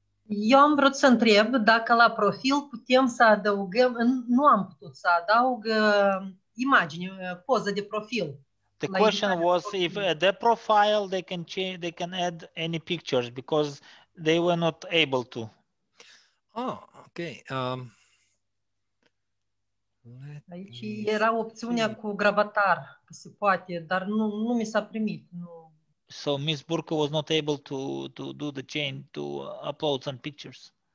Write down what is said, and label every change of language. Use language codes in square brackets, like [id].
[ro] Eu am vrut să întreb dacă la profil putem să adăugăm, nu am putut să adaug imagine, poză de profil. [en] The question was if at the profile they can change, they can add any pictures because they were not able to. Oh, okay. [ro] Aici era opțiunea cu gravatar, că se poate, dar nu mi s-a primit. Nu. [en] So Ms. Burke was not able to do the change, to upload some pictures.